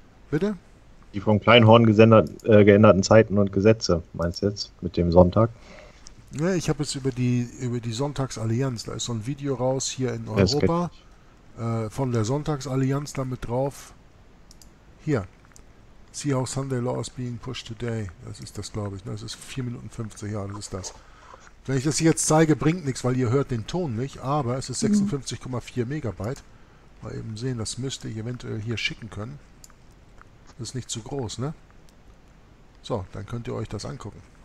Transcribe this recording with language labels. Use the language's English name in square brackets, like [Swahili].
[German] Bitte? Die vom Kleinhorn geänderten Zeiten und Gesetze, meinst du jetzt, mit dem Sonntag? Ne, ich habe es über die Sonntagsallianz, da ist so ein Video raus hier in Europa, von der Sonntagsallianz damit drauf. Hier. [English] See how Sunday law is being pushed today. [German] Das ist das, glaube ich. Das ist 4 Minuten 50. Ja, das ist das. Wenn ich das hier jetzt zeige, bringt nichts, weil ihr hört den Ton nicht. Aber es ist 56,4 Megabyte. Mal eben sehen, das müsste ich eventuell hier schicken können. Das ist nicht zu groß, ne? So, dann könnt ihr euch das angucken.